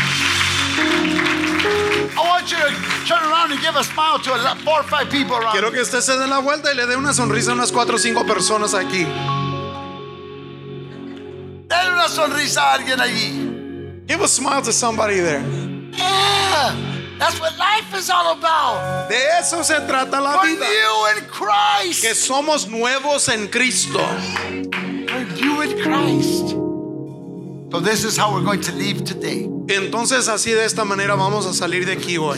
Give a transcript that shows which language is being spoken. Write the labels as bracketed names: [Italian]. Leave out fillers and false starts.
[English] I want you to turn around and give a smile to 4 or 5 people around. [Spanish] Quiero que usted se dé la vuelta y le dé una sonrisa a unas 4 o 5 personas aquí. Dale una sonrisa a alguien allí. [English] Give a smile to somebody there. Yeah, that's what life is all about. [Spanish] De eso se trata la [English] We're [Spanish] vida. [English] New in Christ. [Spanish] Que somos nuevos en Cristo. [English] We're new in Christ. So this is how we're going to leave today. [Spanish] Entonces así de esta manera vamos a salir de aquí hoy.